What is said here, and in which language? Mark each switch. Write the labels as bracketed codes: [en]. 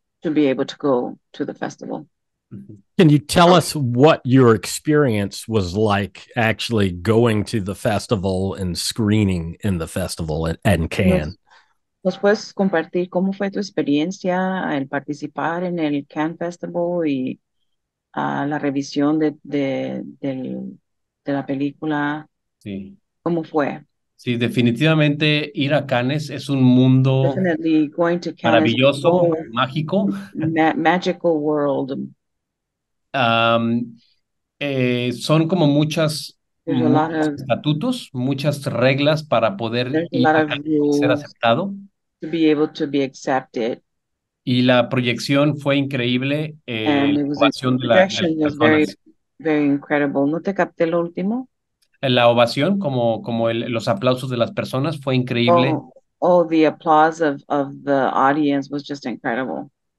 [en] To be able to go to the festival. Can you tell us what your experience was like actually going to the festival and screening in the festival at Cannes? [es] ¿Nos puedes compartir cómo fue tu experiencia al participar en el Cannes Festival y la revisión de la película? Sí. ¿Cómo fue? Sí, definitivamente ir a Cannes es un mundo maravilloso, mágico. [en] Magical world. [es] Son como muchos estatutos, muchas reglas para poder ir a Cannes y ser aceptado. [en] To be able to be accepted. [es] Y la proyección fue increíble. La ovación de las personas. [en] Very, very incredible. [es] ¿No te capté lo último? La ovación, como los aplausos de las personas, fue increíble. [en] Oh, the applause of the audience was just incredible.